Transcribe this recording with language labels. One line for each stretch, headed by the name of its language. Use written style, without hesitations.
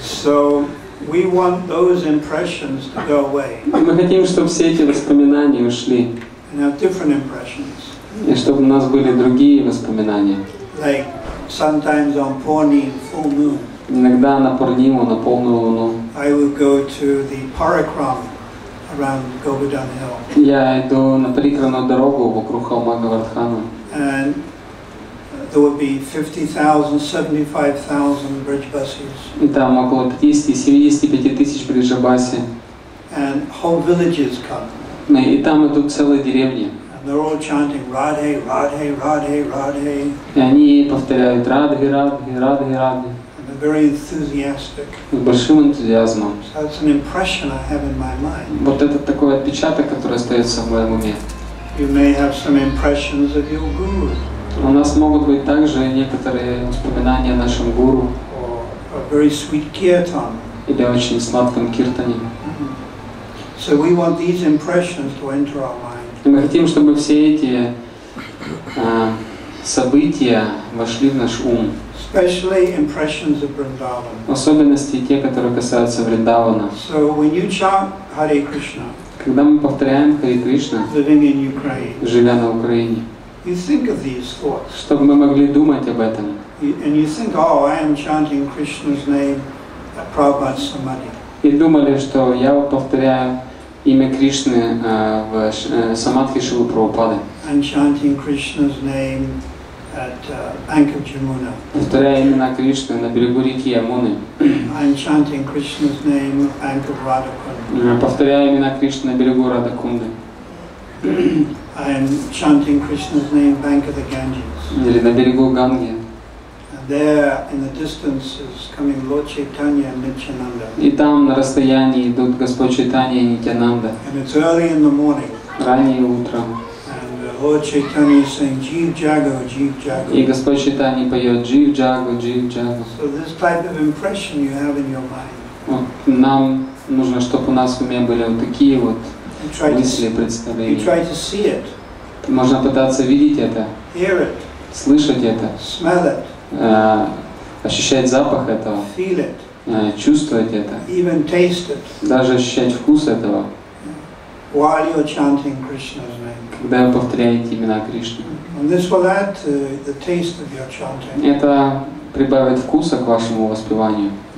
English: So we want those impressions to go away.
Russian: Мы хотим, чтобы все эти воспоминания ушли.
English: And have different impressions.
Russian: И чтобы у нас были другие воспоминания.
English: Like sometimes on Purni, full moon.
Russian: Иногда на Пурниму, на полную луну.
English: I would go to the parikram. Around Govardhan Hill.
Russian: Я иду на парикрамную дорогу вокруг холма Говардхана.
English: And there would be 50,000, 75,000 bridge buses.
Russian: И там около 50-75 тысяч бриджабаси.
English: And whole villages come.
Russian: И там идут целые деревни.
English: And they're all chanting Radhe, Radhe, Radhe, Radhe.
Russian: И они повторяют Радхе, Радхе, Радхе, Радхе.
English: And the very enthusiastic.
Russian: С большим энтузиазмом.
English: That's an impression I have in my mind.
Russian: Вот это такой отпечаток, который остается в моем уме.
English: You may have some impressions of your guru.
Russian: У нас могут быть также некоторые воспоминания о нашем гуру.
English: Or a very sweet kirtan.
Russian: Или о очень сладком киртане.
English: So we want these impressions to enter our mind.
Russian: И мы хотим, чтобы все эти события вошли в наш ум.
English: Especially impressions of Vrindavan.
Russian: Особенности те, которые касаются Вриндавана.
English: So when you chant Hare Krishna.
Russian: Когда мы повторяем Харе Кришна,
English: living in Ukraine.
Russian: Живя на Украине.
English: You think of these thoughts.
Russian: Чтобы мы могли думать об этом.
English: And you think, oh, I am chanting Krishna's name at Prabhupada Samadhi.
Russian: И думали, что я повторяю имя Кришны в Самадхи Шилы Прабхупады.
English: And chanting Krishna's name at bank of Jamuna.
Russian: Повторяю имена Кришны на берегу реки Ямуны.
English: I'm chanting Krishna's name at bank of Radhakunda.
Russian: Повторяю имена Кришны на берегу Радхакунды.
English: I'm chanting Krishna's name at bank of the Ganges.
Russian: Или на берегу Ганги.
English: There in the distance is coming Lord Chaitanya and Nityananda.
Russian: И там на расстоянии идут Господь Чайтанья и Нитянанда.
English: And it's early in the morning.
Russian: Раннее утро.
English: And Lord Chaitanya is saying
Bangla: Jeev Jago, Jeev Jago.
Russian: И Господь Чайтанья поет
Bangla: Jeev Jago, Jeev Jago.
English: So this type of impression you have in your mind.
Russian: Вот нам нужно, чтобы у нас в уме были вот такие вот мысли, представления.
English: You try to see it.
Russian: Можно пытаться видеть это.
English: Hear it.
Russian: Слышать это.
English: Smell it.
Russian: Ощущать запах этого,
English: feel it,
Russian: чувствовать это,
English: even taste it,
Russian: даже ощущать вкус этого,
English: while you're chanting Krishna's name,
Russian: когда вы повторяете имена Кришны.
English: And this will add to the taste of your chanting.
Russian: Это прибавит вкуса к вашему воспеванию.